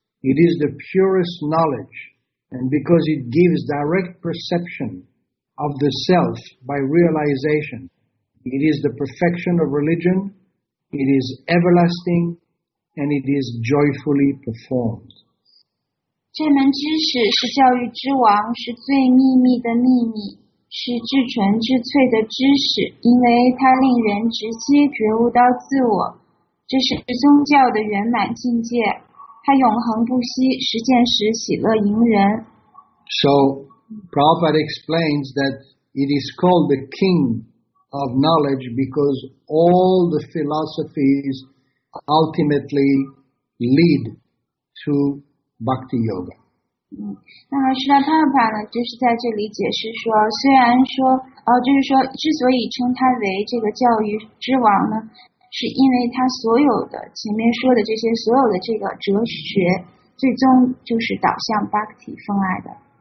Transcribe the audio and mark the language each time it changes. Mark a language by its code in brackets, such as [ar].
[en] It is the purest knowledge, and because it gives direct perception of the self by realization,It is the perfection of religion, it is everlasting, and it is joyfully performed. [zh] 这门知识是教育之王，是最秘密的秘密，是至纯至粹的知识，因为它令人直接觉悟到自我，这是宗教的圆满境界，它永恒不息，实践时喜乐盈人。 [en] So, Prabhupada explains that it is called the king. Of knowledge, because all the philosophies ultimately lead to bhakti yoga. [zh] 那么释迦牟尼佛呢，就是在这里解释说，虽然说，就是说，之所以称他为这个教育之王呢，是因为他所有的前面说的这些所有的这个哲学，最终就是导向 bhakti 风爱的。